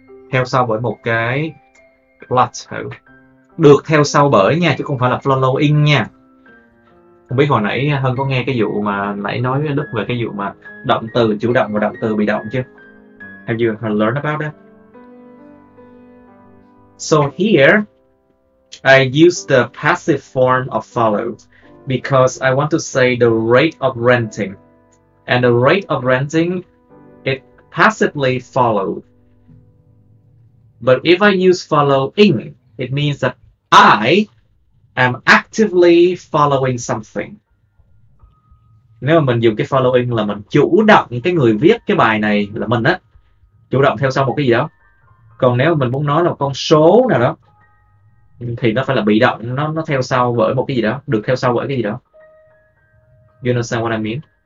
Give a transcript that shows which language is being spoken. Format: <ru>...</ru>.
<vi>Theo sau bởi một cái plateau. Được theo sau bởi nha, chứ không phải là following nha. Không biết hồi nãy Hân có nghe cái vụ mà nãy nói với Đức về cái vụ mà động từ chủ động và động từ bị động chứ.</vi> <en>Have you learned about that? So here, I use the passive form of follow because I want to say the rate of renting. And the rate of renting, it passively followed. But if I use following, it means that I am actively following something.</en> <vi>Nếu mà mình dùng cái following là mình chủ động, cái người viết cái bài này là mình á, chủ động theo sau một cái gì đó. Còn nếu mình muốn nói là con số nào đó thì nó phải là bị động, nó theo sau bởi một cái gì đó, được theo sau bởi cái gì đó.</vi> <en>You understand what I mean?</en>